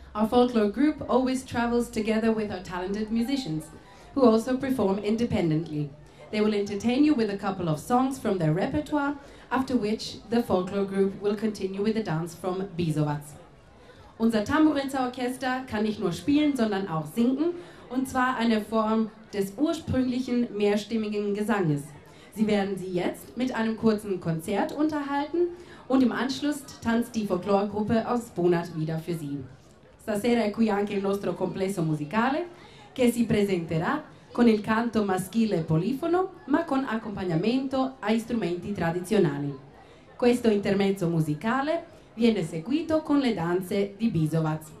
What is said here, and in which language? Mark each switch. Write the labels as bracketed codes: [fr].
[en] Our folklore group always travels together with our talented musicians, who also perform independently. They will entertain you with a couple of songs from their repertoire, after which the folklore group will continue with the dance from Bizovac. [de] Unser Tamburitza-Orchester kann nicht nur spielen, sondern auch singen, und zwar eine Form des ursprünglichen mehrstimmigen Gesanges. Sie werden Sie jetzt mit einem kurzen Konzert unterhalten und im Anschluss tanzt die Folklore-Gruppe aus Punat wieder für Sie. [it] Stasera è qui anche il nostro complesso musicale, che si presenterà con il canto maschile polifono, ma con accompagnamento a strumenti tradizionali. Questo intermezzo musicale viene seguito con le danze di Bizovac.